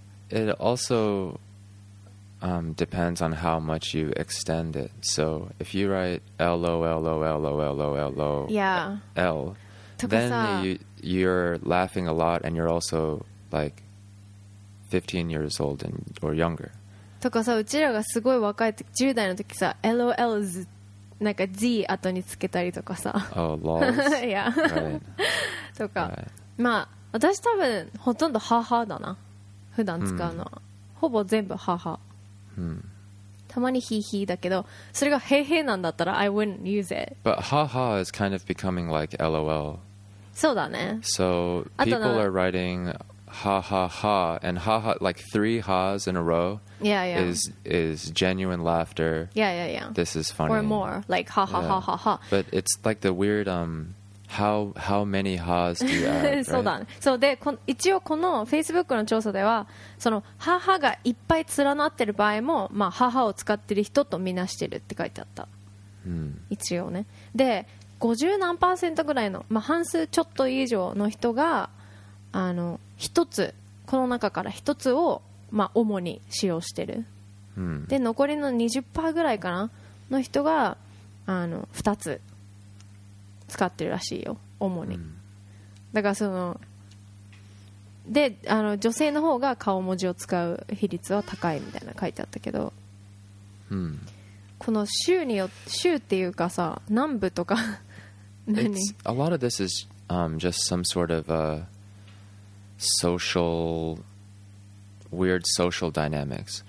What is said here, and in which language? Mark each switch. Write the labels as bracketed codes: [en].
[en] It also depends on how much you extend it. So if you write LOLOLOLOLOL, then you're laughing a lot and you're also like 15 years old and or younger. [ja] とかさ、うちらがすごい若い時、10代の時さ、LOL ずなんか Z 後につけたりとかさ。 [en] Oh, lol. [ja] Yeah. とか、まあ。私多分ほとんどハハだな普段使うのは、ほぼ全部ハハ、たまにヒーヒーだけどそれがヘイヘイなんだったら [en] I wouldn't use it. But ハハ is kind of becoming like LOL. [ja] そうだね。 [en] So people are writing ハハハ and ハハ like three ha's in a row is genuine laughter. This is funny. Or more like ハハハハハ。 But it's like the weirdHow many ha's do you add? [ja] そうだね。そうで、一応この Facebook の調査では、その母がいっぱい連なってる場合も、まあ母を使ってる人とみなしてるって書いてあった。一応ね。で、50何パーセントぐらいの、まあ半数ちょっと以上の人が、あの一つこの中から一つをまあ主に使用してる。で、残りの 20% ぐらいかなの人が、あの二つ。使ってるらしいよ主に、だからそので、あの女性の方が顔文字を使う比率は高いみたいな書いてあったけど、この州によ州っていうかさ南部とか [en] 何 It's, a lot of this is just some sort of a social weird social dynamics.